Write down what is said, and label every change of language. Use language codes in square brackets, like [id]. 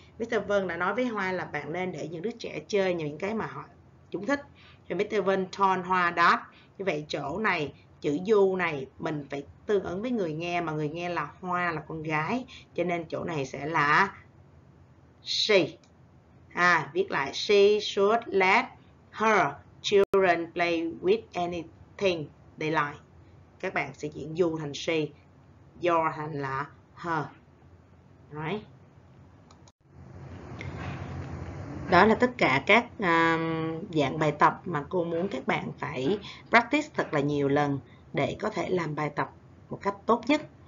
[en] Mr. [vi] Vân đã nói với Hoa là bạn nên để những đứa trẻ chơi những cái mà họ chúng thích. Thì Mr. [en] Vân told Hoa that. [vi] Như vậy chỗ này, chữ you này, mình phải tương ứng với người nghe mà người nghe là Hoa, là con gái. Cho nên chỗ này sẽ là she. À, viết lại [en] she should let her children play with anything they like. [vi] Các bạn sẽ chuyển you thành she, your thành là her. Đó là tất cả các dạng bài tập mà cô muốn các bạn phải practice thật là nhiều lần để có thể làm bài tập một cách tốt nhất.